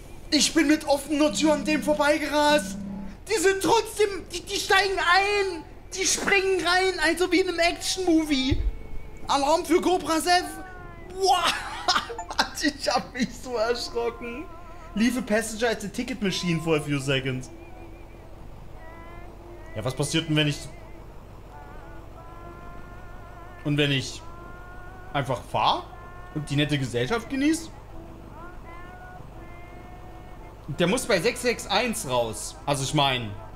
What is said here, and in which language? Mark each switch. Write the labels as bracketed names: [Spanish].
[German] Ich bin mit offener Tür an dem vorbeigerast. Die sind trotzdem... Die steigen ein. Die springen rein, also wie in einem Action-Movie. Alarm für Cobra 7. What? Ich hab mich so erschrocken. [English] Leave a passenger at the ticket machine for a few seconds. [German] Ja, was passiert denn, wenn ich... Und wenn ich... einfach fahr? Und die nette Gesellschaft genieße? Der muss bei 661 raus. Also ich meine.